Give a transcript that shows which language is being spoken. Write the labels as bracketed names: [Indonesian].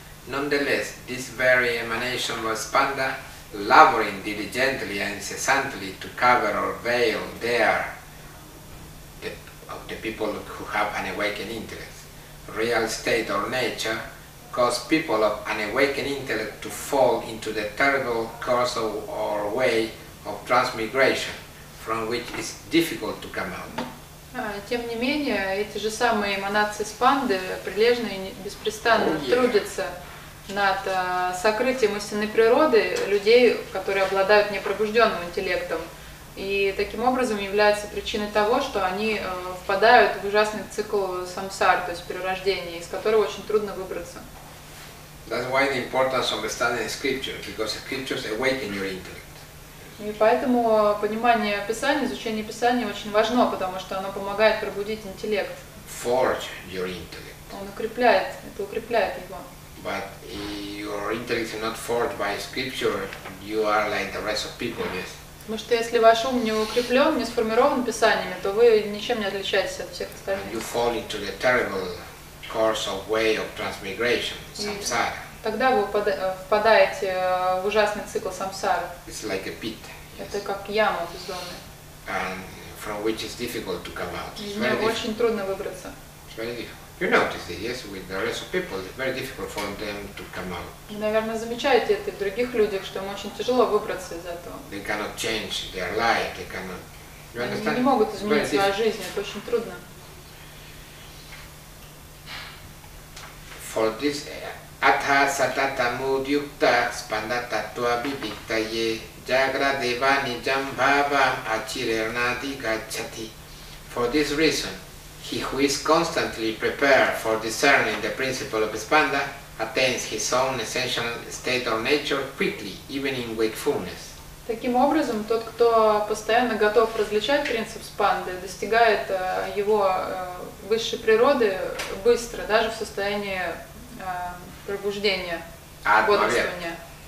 [English] Nonetheless, this very emanation of Spanda, laboring diligently and incessantly to cover or veil there of the people who have an awakened intellect, real state or nature, cause people of an awakened intellect to fall into the terrible course of or way of transmigration, from which it's difficult to come out. [Russian] Тем не менее, эти же самые эманации Спанды прилежно и беспрестанно трудятся над сокрытием истинной природы людей, которые обладают непробужденным интеллектом. И таким образом являются причиной того, что они впадают в ужасный цикл самсар, то есть перерождения, из которого очень трудно выбраться. [English] That's why the importance of understanding scripture, because scriptures awaken your intellect. [Russian] И поэтому понимание Писания, изучение Писания очень важно, потому что оно помогает пробудить интеллект. [English] Forge your intellect. [Russian] Он укрепляет, это укрепляет его. [English] But your intellect is not forged by scripture, you are like the rest of people, yes. [Russian] Потому что если ваш ум не укреплен, не сформирован Писаниями, то вы ничем не отличаетесь от всех остальных. [English] You fall into the terrible course of way of transmigration, samsara. [Russian] тогда вы впадаете в ужасный цикл самсары. [English] It's like a pit. [Russian] Это как яма бездонная. [English] And from which it's difficult to come out. [Russian] Из нее очень трудно выбраться. [English] It's very difficult. You notice it, yes, with the rest of people, it's very difficult for them to come out. [Russian] Вы, наверное, замечаете это в других людях, что им очень тяжело выбраться из этого. [English] They cannot change their life. They cannot. You understand? [Russian] Они не могут изменить свою жизнь. Это очень трудно. [English] For this [Sanskrit] atha satata mudyukta spandatattva vivittaye jagradevani jambhava achirernati gacchati. [English] For this reason, he who is constantly prepared for discerning the principle of spanda attains his own essential state or nature quickly, even in wakefulness. [Russian] Таким образом, тот, кто постоянно готов различать принцип спанды, достигает его высшей природы быстро, даже в состоянии пробуждения, бодрствования.